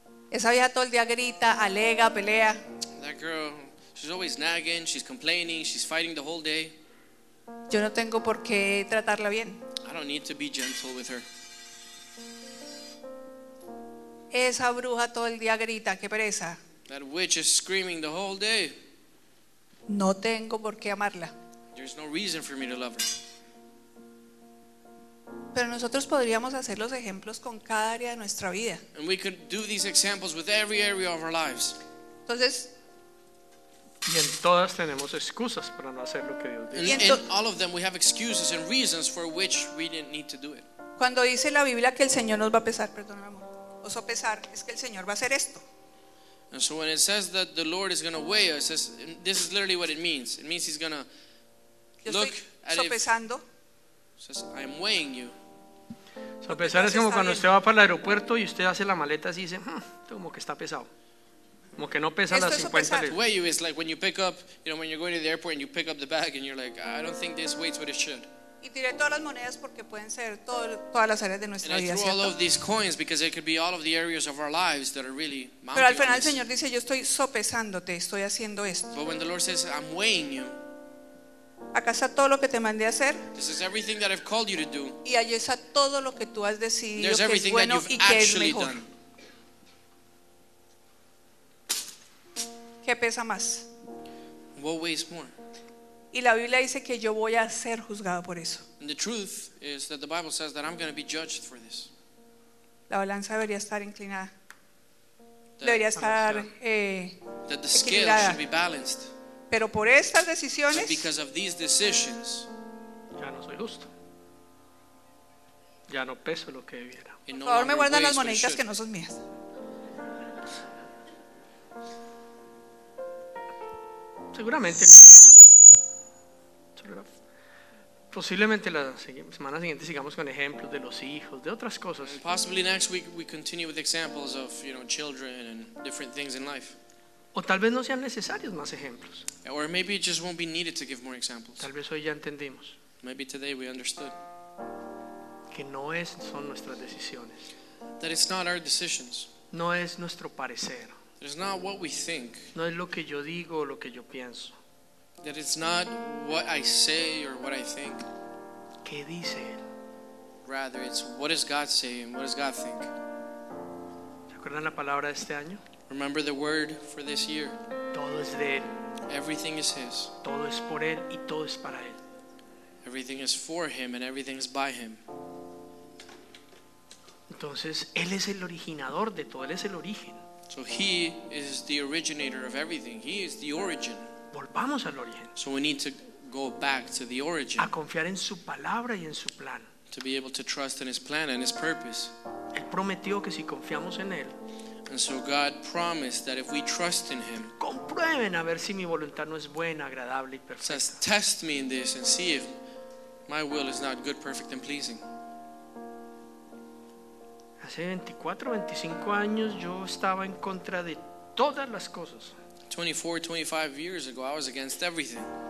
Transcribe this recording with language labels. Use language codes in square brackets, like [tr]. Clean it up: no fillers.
[es] Esa vieja todo el día grita, alega, pelea. [en] That girl... She's always nagging, she's complaining, she's fighting the whole day. [es] Yo no tengo por qué tratarla bien. [en] I don't need to be gentle with her. [es] Esa bruja todo el día grita, qué pereza. [en] That witch is screaming the whole day. [es] No tengo por qué amarla. [en] There's no reason for me to love her. [es] Pero nosotros podríamos hacer los ejemplos con cada área de nuestra vida. [en] And we could do these examples with every area of our lives. [es] Entonces, y en todas tenemos excusas para no hacer lo que Dios dice. [en] In all of them we have excuses and reasons for which we didn't need to do it. [es] Cuando dice la Biblia que el Señor nos va a pesar, perdón, amor, o sopesar, es que el Señor va a hacer esto. [en] And so when it says that the Lord is going to weigh us, this is literally what it means. It means he's going to look at [es] sopesando. [en] It says I'm weighing you. [es] Sopesar es como cuando usted va para el aeropuerto y usted hace la maleta así y dice, como que está pesado. Como que no pesa las 50 libras. [en] Weigh you is like when you pick up, you know, when you're going to the airport and you pick up the bag and you're like, I don't think this weighs what it should. [es] Y tiré todas las monedas porque pueden ser todas las áreas de nuestra vida. [en] And I threw all of these coins because it could be all of the areas of our lives that are really. [es] Pero al final el Señor dice, yo estoy sopesándote, estoy haciendo esto. [en] But when the Lord says, I'm weighing you. [es] Acá está todo lo que te mandé a hacer. [en] This is everything that I've called you to do. [es] Y allí está todo lo que tú has decidido que es bueno y que es mejor. ¿Qué pesa más? [en] What weighs more? [es] Y la Biblia dice que yo voy a ser juzgado por eso. [en] And the truth is that the Bible says that I'm going to be judged for this. [es] La balanza debería estar inclinada. Debería estar [en] that the scale [es] equilibrada. [en] Should be balanced. [es] Pero por estas decisiones, [en] but because of these decisions, [es] ya no soy justo. Ya no peso lo que debiera. No, por favor, me guardan las moneditas que no son mías. Seguramente, posiblemente la semana siguiente sigamos con ejemplos de los hijos, de otras cosas. [en] Possibly next week we continue with examples of, you know, children and different things in life. [es] O tal vez no sean necesarios más ejemplos. [en] Or maybe it just won't be needed to give more examples. [es] Tal vez hoy ya entendimos. [en] Maybe today we understood. [es] Que no es son nuestras decisiones. [en] That it's not our decisions. [es] No es nuestro parecer. [en] It's not what we think. [es] No es lo que yo digo o lo que yo pienso. [en] That it's not what I say or what I think. [es] ¿Qué dice él? [en] Rather, it's what does God say and what does God think? [es] ¿Se acuerdan la palabra de este año? [en] Remember the word for this year. [es] Todo es de él. [en] Everything is his. [es] Todo es por él y todo es para él. [en] Everything is for him and everything is by him. [es] Entonces, él es el originador de todo, él es el origen. [en] So he is the originator of everything. He is the origin. [es] Volvamos al origen. [en] So we need to go back to the origin. [es] A confiar en su palabra y en su plan. [en] To be able to trust in his plan and his purpose. [es] Él prometió que si confiamos en él. [en] And so God promised that if we trust in him. [es] Comprueben a ver si mi voluntad no es buena, agradable y perfecta. [en] Says, test me in this and see if my will is not good, perfect and pleasing. [es] Hace 24, 25 años yo estaba en contra de todas las cosas. [en] 24, 25 years ago I was against everything.